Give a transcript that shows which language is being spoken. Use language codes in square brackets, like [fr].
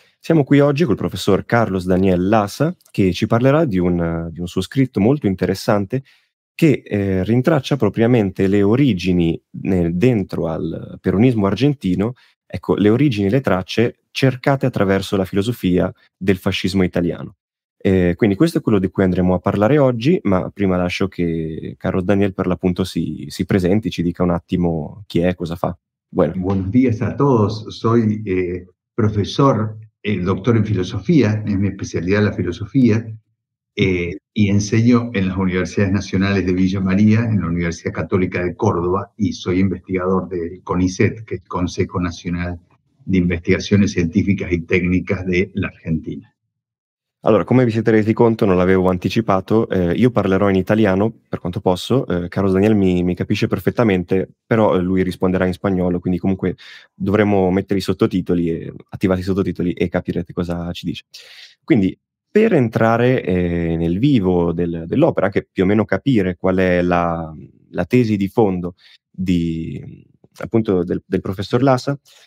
[it] Siamo qui oggi col professor Carlos Daniel Lasa che ci parlerà di un suo scritto molto interessante che rintraccia propriamente le origini dentro al peronismo argentino, ecco, le origini, le tracce cercate attraverso la filosofia del fascismo italiano. Quindi questo è quello di cui andremo a parlare oggi, ma prima lascio che Carlo Daniel per l'appunto si presenti, ci dica un attimo chi è, cosa fa. [es] Bueno. Buenos días a todos. Soy profesor, doctor en filosofía, es mi especialidad la filosofía, y enseño en las universidades nacionales de Villa María, en la Universidad Católica de Córdoba, y soy investigador del CONICET, que es el Consejo Nacional de Investigaciones Científicas y Técnicas de la Argentina. [it] Allora, come vi siete resi conto, non l'avevo anticipato, io parlerò in italiano per quanto posso, Carlos Daniel mi capisce perfettamente, però lui risponderà in spagnolo, quindi comunque dovremo mettere i sottotitoli, attivare i sottotitoli e capirete cosa ci dice. Quindi, per entrare nel vivo dell'opera, anche più o meno capire qual è la tesi di fondo appunto del professor Lasa.